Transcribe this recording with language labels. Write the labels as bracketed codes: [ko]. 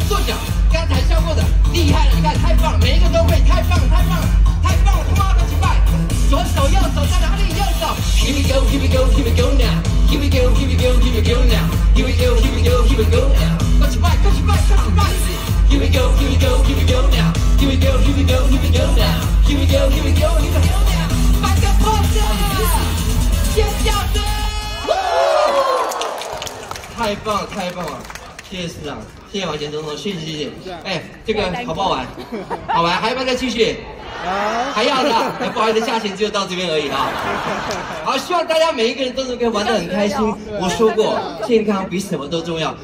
[zh] 跺脚，刚才教过的，厉害了！你看，太棒了，每一个都会，太棒了，太棒了，太棒了！他妈的，击败！左手右手在哪里？右手 [en] ，Here we go, here we go, here we go now, here we go, here we go, here we go now, here we go, here we go, here we go now, [zh] 快击败，快击败，快击败 [en] ！Here we go, here we go, here we go now, here we go, here we go, here we go now, here we go, here we go, here we go now， [zh] 摆个 pose， 尖叫声！太棒了，太棒了！谢谢市长，谢谢马前总统，谢谢谢谢。哎，这个好不好玩？好玩，还要不要再继续？啊，还要的。哎，不好意思，价钱只有到这边而已啊。好，希望大家每一个人都能够玩得很开心。我说过，健康比什么都重要。